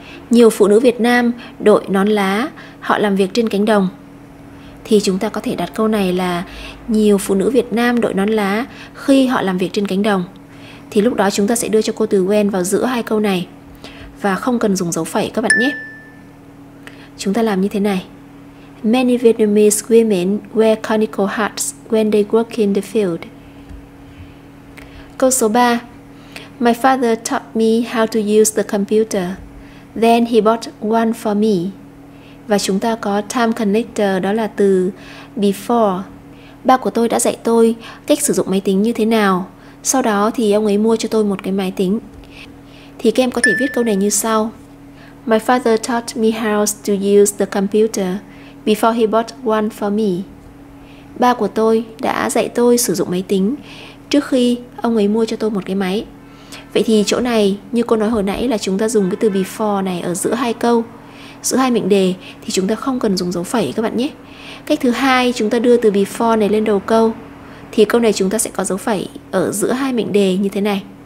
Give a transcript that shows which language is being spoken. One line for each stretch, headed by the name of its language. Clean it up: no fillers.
Vietnamese: Nhiều phụ nữ Việt Nam đội nón lá, họ làm việc trên cánh đồng. Thì chúng ta có thể đặt câu này là nhiều phụ nữ Việt Nam đội nón lá khi họ làm việc trên cánh đồng. Thì lúc đó chúng ta sẽ đưa cho cô từ when vào giữa hai câu này và không cần dùng dấu phẩy các bạn nhé. Chúng ta làm như thế này.
English: Many Vietnamese women wear conical hats when they work in the field.
Vietnamese: Câu số 3.
English: My father taught me how to use the computer. Then he bought one for me.
Vietnamese: Và chúng ta có time connector, đó là từ before. Ba của tôi đã dạy tôi cách sử dụng máy tính như thế nào. Sau đó thì ông ấy mua cho tôi một cái máy tính. Thì các em có thể viết câu này như sau.
English: My father taught me how to use the computer before he bought one for me.
Vietnamese: Ba của tôi đã dạy tôi sử dụng máy tính trước khi ông ấy mua cho tôi một cái máy. Vậy thì chỗ này, như cô nói hồi nãy, là chúng ta dùng cái từ before này ở giữa hai câu, giữa hai mệnh đề, thì chúng ta không cần dùng dấu phẩy các bạn nhé. Cách thứ hai, chúng ta đưa từ before này lên đầu câu, thì câu này chúng ta sẽ có dấu phẩy ở giữa hai mệnh đề như thế này.